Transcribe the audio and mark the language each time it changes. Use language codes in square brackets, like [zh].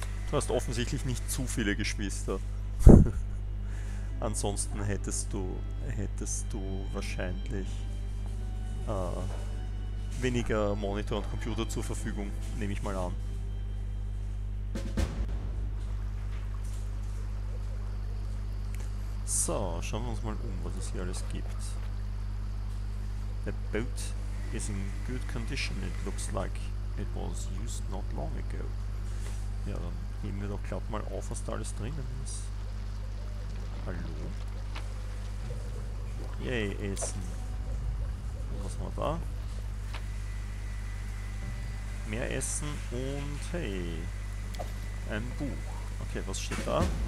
[de] Du hast offensichtlich nicht zu viele Geschwister. Ansonsten hättest du wahrscheinlich weniger Monitor und Computer zur Verfügung, nehme ich mal an. So, schauen wir uns mal um, was es hier alles gibt. [en] The boat is in good condition, it looks like it was used not long ago. [de] Ja, dann nehmen wir doch glaubt mal auf, was da alles drinnen ist. Hallo? Yay, Essen. Und was haben wir da? Mehr Essen und hey, ein Buch. Okay, was steht da?